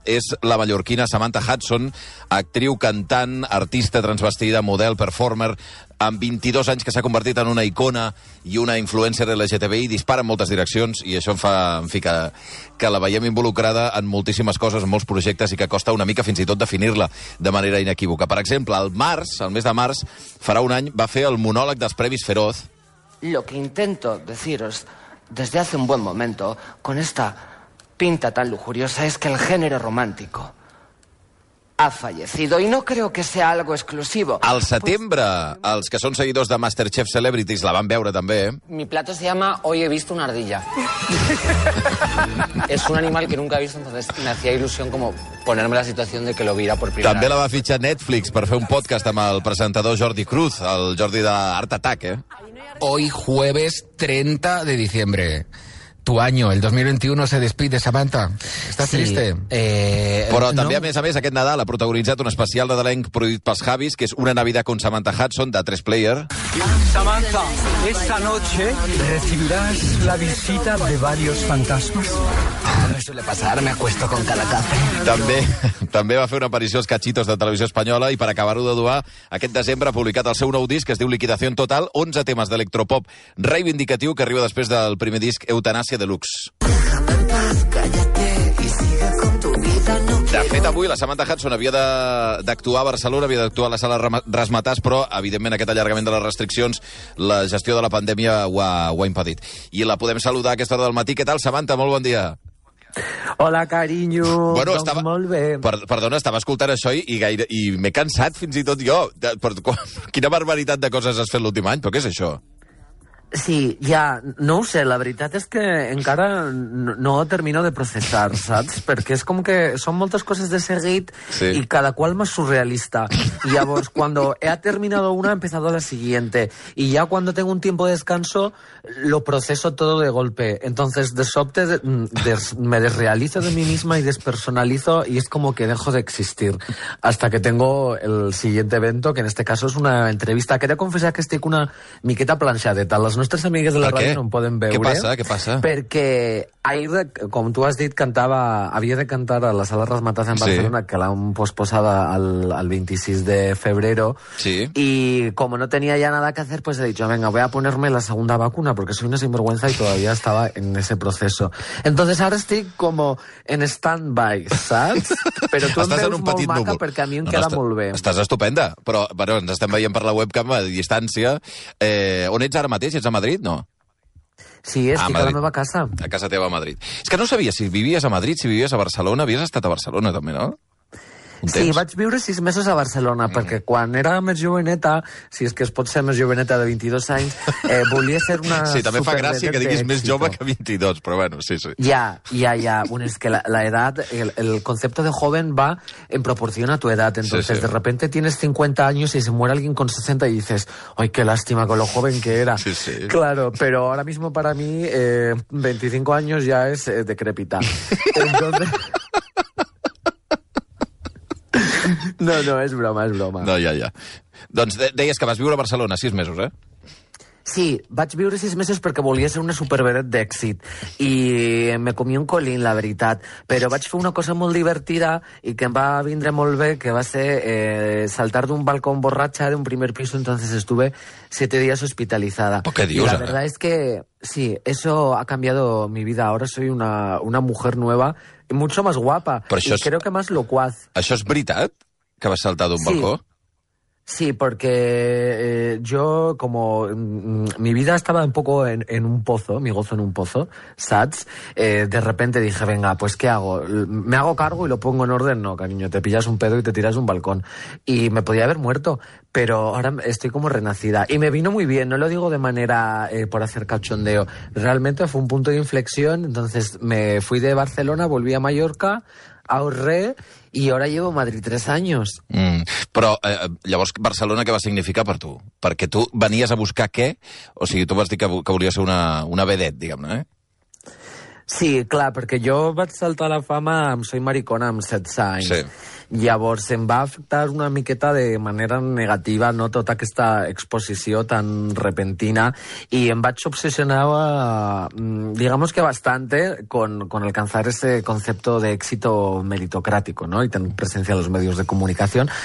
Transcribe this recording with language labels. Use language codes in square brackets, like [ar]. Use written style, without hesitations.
[ca] És la mallorquina Samantha Hudson, actriu, cantant, artista transvestida, model, performer, amb 22 anys, que s'ha convertit en una icona i una influencer LGTBI, dispara en moltes direccions, i això em fa, en fi, que la veiem involucrada en moltíssimes coses, en molts projectes, i que costa una mica fins i tot definir-la de manera inequívoca. Per exemple, el març, el mes de març, farà un any, va fer el monòleg dels Premis Feroz. [es] Lo que intento deciros desde hace un buen momento, con esta pinta tan lujuriosa, es que el género romántico ha fallecido y no creo que sea algo exclusivo. [ca] Al setembre, els que són seguidors de Masterchef Celebrities la van veure també. [es] Mi plato se llama Hoy he visto una ardilla. Es un animal que nunca he visto, entonces me hacía ilusión como ponerme la situación de que lo viera por primera. [ca] També la va fitxar Netflix per fer un podcast amb el presentador Jordi Cruz, el Jordi de Art Attack, eh? [es] Hoy jueves 30 de diciembre. Tu año, el 2021, se despide, Samantha. [ca] Estàs sí, [es] triste. [ca] Però també, no. A més a més, aquest Nadal ha protagonitzat un especial de l'elenc produït pels Javis, que és Una Navidad con Samantha Hudson, de 3Player. [es] Samantha, esta noche recibirás la visita de varios fantasmas. No suele pasar, me acuesto con cada café. [ca] També va fer una aparició als Cachitos de Televisió Espanyola i, per acabar-ho de duar, aquest desembre ha publicat el seu nou disc, que es diu Liquidación Total, 11 temes d'electropop reivindicatiu que arriba després del primer disc Eutanasia Deluxe. De fet, avui la Samantha Hudson havia d'actuar a Barcelona, havia d'actuar a la sala Ras Matàs, però, evidentment, aquest allargament de les restriccions, la gestió de la pandèmia ho ha impedit. I la podem saludar a aquesta hora del matí. Què tal, Samantha? Molt bon dia. Hola, carinyo. Bueno, doncs estava, molt bé. Perdona, estava escoltant això i m'he cansat fins i tot jo. Quina barbaritat de coses has fet l'últim any, però què és això? Sí, ja, no ho sé, la veritat és que encara no termino de processar, saps? Perquè és com que són moltes coses de seguit, sí. I cada qual més surrealista. I llavors, quan he terminat una, [es] he empezado la siguiente. [ca] I ja quan [es] tengo un tiempo de descanso, lo proceso todo de golpe. Entonces, [ca] de sobte, [es] me desrealizo de mí misma y despersonalizo y es como que dejo de existir. Hasta que tengo el siguiente evento, que en este caso es una entrevista. Quería confesar [ca] que estic una miqueta planxadeta. Les nostres amigues de la ràdio no em poden veure. Què passa? Perquè ahir, com tu has dit, havia de cantar a la sala Ras Matàs en Barcelona, sí. Que l'han posposada al [es] 26 de febrero. [ca] Sí. I com no tenia ja [es] nada que hacer, pues he dicho, venga, voy a ponerme la segunda vacuna, porque soy una sinvergüenza y todavía estaba en ese proceso. Entonces ahora [ca] estic [es] como en stand-by, [ca] saps? Però tu estàs em veus molt maca núvol. Perquè a mi em queda molt bé. Estàs estupenda. Però, bueno, ens estem veient per la webcam a distància. On ets ara mateix? Si ets a Madrid, no? Sí, estic a la meva casa. A casa teva, a Madrid. És que no sabia si vivies a Madrid, si vivies a Barcelona. Havies estat a Barcelona, també, no? Sí, vaig viure 6 mesos a Barcelona, perquè quan era més joveneta, si és que es pot ser més joveneta de 22 anys, volia ser una... Sí, també fa gràcia que diguis més jove que 22, però bueno, sí. Ja. Bueno, és que l'edat, el concepte de joven va en proporció a tu edat. [es] Entonces, sí. De repente tienes 50 años y se muere alguien con 60 y dices, ay, qué lástima con lo joven que era. Sí. Claro, pero ahora mismo para mí 25 años ya es decrépita. Entonces... [ca] No, és broma. No, ja. Doncs deies que vas viure a Barcelona 6 mesos, eh? Sí, vaig viure 6 mesos perquè volia ser una supervedet d'èxit i [es] me comí un colín, [ca] la veritat. Però vaig fer una cosa molt divertida i que em va vindre molt bé, que va ser saltar d'un balcó borratxa d'un primer pis, [es] entonces estuve [ca] 7 dies hospitalitzada. Però què dius, ara? [es] La verdad es que, sí, eso ha cambiado mi vida. Ahora soy una mujer nueva, mucho más guapa. Y creo que más locuaz. [ca] Això és veritat? Que vas saltar d'un balcó? [es] Sí, porque yo como mi vida estaba un poco en un pozo, mi gozo en un pozo, sats, de repente dije, venga, pues ¿qué hago? ¿Me hago cargo y lo pongo en orden? No, cariño, te pillas un pedo y te tiras un balcón. Y me podía haber muerto, pero ahora estoy como renacida. Y me vino muy bien, no lo digo de manera por hacer cachondeo. Realmente fue un punto de inflexión, entonces me fui de Barcelona, volví a Mallorca, ahorré y ahora llevo a Madrid 3 anys. [ca] Mm. Però llavors Barcelona què va significar per tu? Perquè tu venies a buscar què? O sigui, tu vas dir que volies ser una vedet, diguem-ne, eh? Sí, clar, perquè jo vaig saltar la fama amb Soy Maricona amb 16 anys. Sí. Llavors em va afectar una miqueta de manera negativa, no?, tota aquesta exposició tan repentina, i em vaig obsessionar, [es] digamos que bastante, con alcanzar ese concepto de éxito meritocrático, ¿no?, y tener presencia en los medios de comunicación.